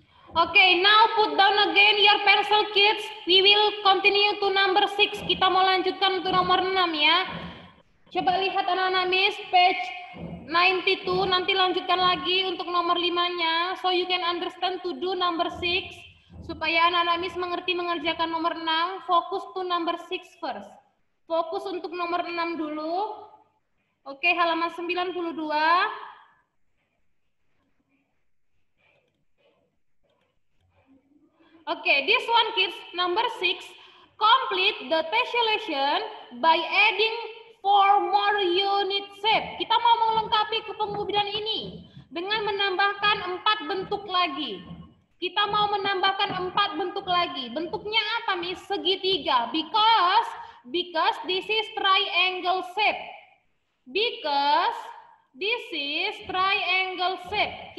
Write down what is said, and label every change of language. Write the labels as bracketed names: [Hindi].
[English] Okay, now put down again your pencil, kids. We will continue to number 6. [Indonesian] Kita mau lanjutkan untuk nomor 6 ya. Coba lihat anak-anak Miss, page 92. Nanti lanjutkan lagi untuk nomor 5-nya. [English] So you can understand to do number 6. [Indonesian] Supaya anak-anak Miss mengerti mengerjakan nomor 6. Fokus [English] to number 6 first. [Indonesian] Fokus untuk nomor 6 dulu. Okay, halaman 92. [English] Oke, Okay, this one kids, number 6. Complete the tessellation by adding 4 more unit shape. [Indonesian] Kita mau melengkapi kepemudaan ini dengan menambahkan 4 bentuk lagi. Kita mau menambahkan 4 bentuk lagi. Bentuknya apa, Miss? Segitiga. [English] Because this is triangle shape. Because this is triangle shape.